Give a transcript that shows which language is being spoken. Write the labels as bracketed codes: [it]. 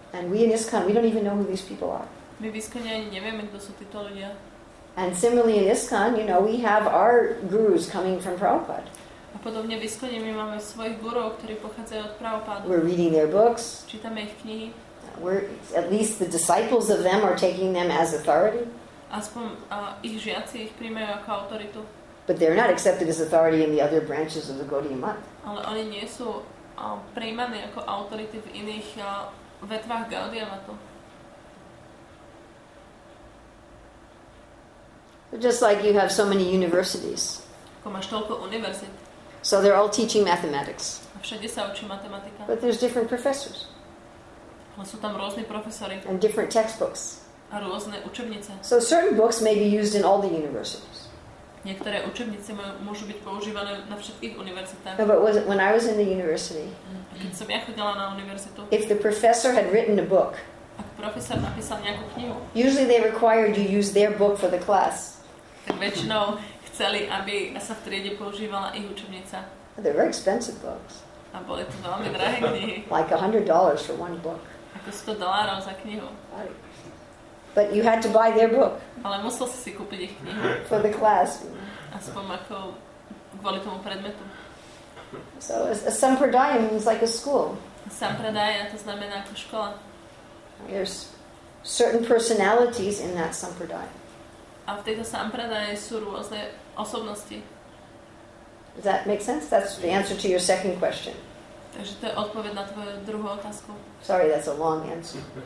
[en] And we in ISKCON, we don't even know who these people are. [sk] My v ISKCONe ani nevieme, kto sú títo ľudia. [en] And similarly in ISKCON, you know, we have our gurus coming from Prabhupada. [sk] A podobne v ISKCONe my máme svojich gurov, ktorí pochádzajú od Prabhupada. [en] We're reading their books. [sk] Čítame ich knihy. [en] We're, at least the disciples of them are taking them as authority. [sk] Aspoň ich žiaci ich prijímajú ako autoritu. [en] But they're not accepted as authority in the other branches of the Gaudiya Math. [sk] Ale oni nie sú prijímaní ako autority v iných vetvách Gaudiya Mathu. [en] Just like you have so many universities. [sk] Ako máš toľko univerzit. [en] So they're all teaching mathematics. [sk] A všade sa učí matematika. [en] But there's different professors. [sk] Ale sú tam rôzni profesori. [en] And different textbooks. [sk] A rôzne učebnice. [en] So certain books may be used in all the universities. [sk] Niektoré učebnice môžu byť používané na všetkých univerzitách. [en] No, but when I was in the university. [sk] Keď som ja chodila na univerzitu. [en] If the professor had written a book. [sk] Ak profesor napísal nejakú knihu. [en] Usually they required you use their book for the class. [sk] Väčšinou chceli, aby sa v triede používala ich učebnica. [en] They're very expensive books. [sk] A boli to veľmi drahé knihy. [en] Like $100 for one book. [sk] Ako $100 za knihu. [en] But you had to buy their book. [sk] Ale musel si si kúpiť ich knihu. [en] For the class. [sk] Aspoň ako kvôli tomu predmetu. [en] So a sampradaya means like a school. [sk] Sampradaya to znamená ako škola. [en] There's certain personalities in that sampradaya. [sk] A v tejto sampradaye sú rôzne osobnosti. [en] Does that make sense? That's the answer to your second question. [sk] Takže to je odpoveď na tvoju druhú otázku. [en] Sorry, that's a long answer.